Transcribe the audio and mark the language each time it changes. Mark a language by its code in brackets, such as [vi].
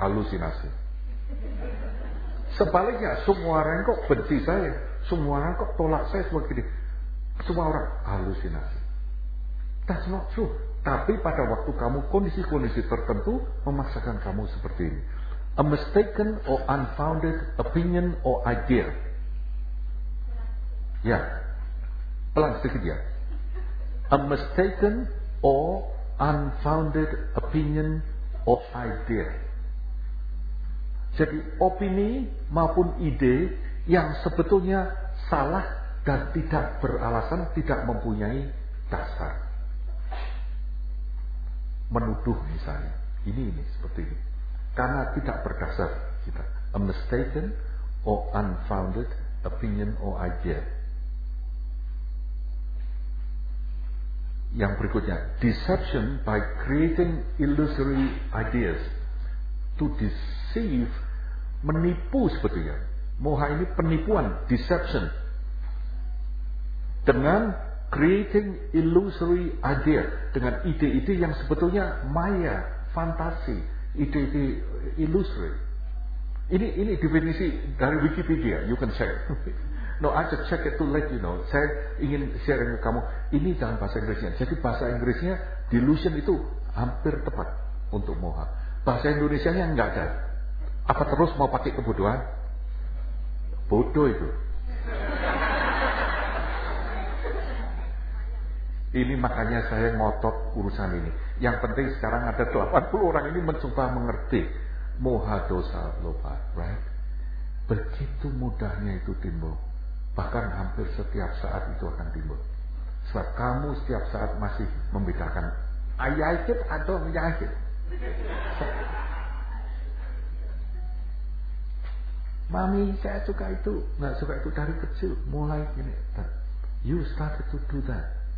[id] Halusinasi. Sebaliknya, semua orang kok benci saya, semua orang kok tolak saya begini. Semua orang halusinasi. [en] That's not true. [id] Tapi pada waktu kamu kondisi-kondisi tertentu memaksakan kamu seperti ini. [en] A mistaken or unfounded opinion or idea. [id] Ya, pelan sedikit ya. [en] A mistaken or unfounded opinion or idea. [id] Jadi opini maupun ide yang sebetulnya salah dan tidak beralasan, tidak mempunyai dasar. Menuduh misalnya, ini seperti ini. Karena tidak berdasar kita. [en] A mistaken or unfounded opinion or idea. [id] Yang berikutnya, [en] deception by creating illusory ideas. To deceive, [id] menipu sebetulnya. Moha ini penipuan, [en] deception. [id] Dengan [en] creating illusory idea, [id] dengan ide-ide yang sebetulnya maya, fantasi, ide-ide [en] illusory. [id] Ini definisi dari Wikipedia, [en] you can check. No, I just check it to let you know. [id] Saya ingin share dengan kamu. Ini dalam bahasa Inggrisnya. Jadi bahasa Inggrisnya delusion itu hampir tepat untuk moha. Bahasa Indonesianya enggak ada. Apa terus mau pakai kebodohan? Bodoh itu. Ini makanya saya ngotot urusan ini. Yang penting sekarang ada 80 orang ini mencoba mengerti moha dosa lupa, right? Begitu mudahnya itu timbul. Bahkan hampir setiap saat itu akan timbul. Sebab kamu setiap saat masih membedakan ayahit atau menyahit. Mami, saya suka itu, nggak suka itu dari kecil. Mulai ini, [en] you started to do that.